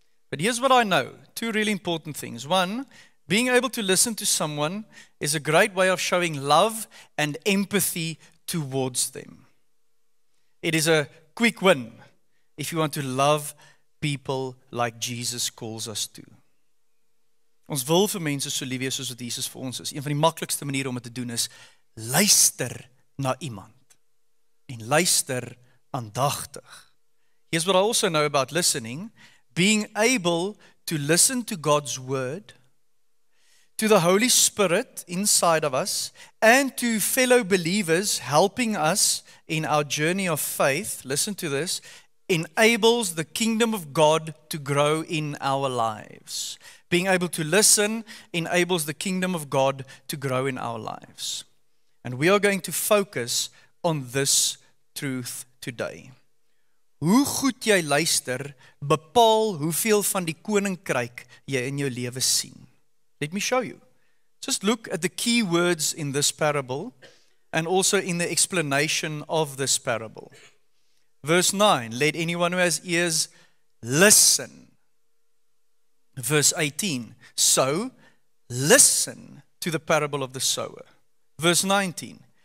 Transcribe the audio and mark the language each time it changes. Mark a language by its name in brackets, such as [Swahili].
[English] But here's what I know, two really important things. One, being able to listen to someone is a great way of showing love and empathy towards them. It is a quick win if you want to love people like Jesus calls us to. [Afrikaans] Ons wil vir mense so lief wees soos wat Jesus vir ons is. Een van die maklikste maniere om dit te doen is luister na iemand en luister aandagtig. [English] Here's what I also know about listening. Being able to listen to God's word, to the Holy Spirit inside of us, and to fellow believers helping us in our journey of faith, listen to this, enables the kingdom of God to grow in our lives. Being able to listen enables the kingdom of God to grow in our lives. And we are going to focus on this truth today. [Afrikaans] Hoe goed jy luister, bepaal hoeveel van die koninkryk jy in jou lewe sien. [English] Let me show you. Just look at the key words in this parable and also in the explanation of this parable. Verse 9, let anyone who has ears listen. Verse 18, so listen to the parable of the sower. Verse 19,